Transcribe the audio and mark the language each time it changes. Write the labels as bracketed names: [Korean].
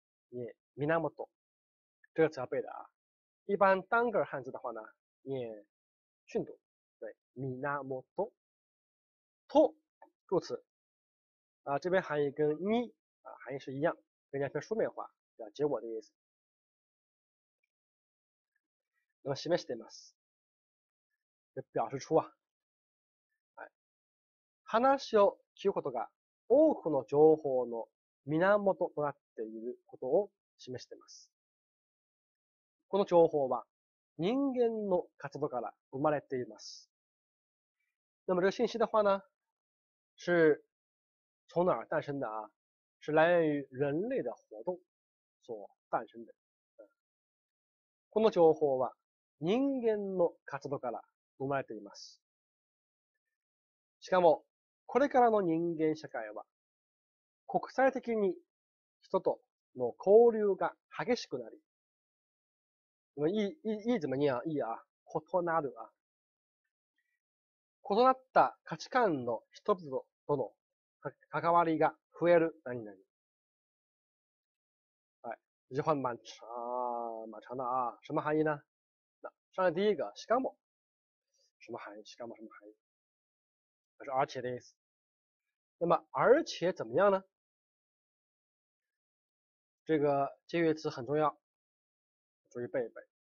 [Chinese] 念 [Japanese] みなもと， [Chinese] 这个词要背的啊。一般单个汉字的话呢，念训读，对，みなもと。と助词啊，这边含义跟你啊含义是一样，人家偏书面化，表结果的意思。 [Japanese] 那么示しています， [Chinese] 就表示出啊， [Japanese] 話を聞くことが多くの情報の源となっていることを示しています。この情報は人間の活動から生まれています。 [Chinese] 那么这个信息的话呢，是从哪儿诞生的啊？是来源于人类的活动所诞生的。 [Japanese] この情報は人間の活動から生まれています。しかも、これからの人間社会は、国際的に人との交流が激しくなり、いい、いい、いい、怎么念啊？いいあ、異なるあ。異なった価値観の人々との関わりが増える何々。はい。 [Chinese] 这句话蛮长，蛮长的啊。什么含义呢？那上面第一个しかも，什么含义？しかも什么含义？它是而且的意思。那么而且怎么样呢？这个介语词很重要，注意背一背。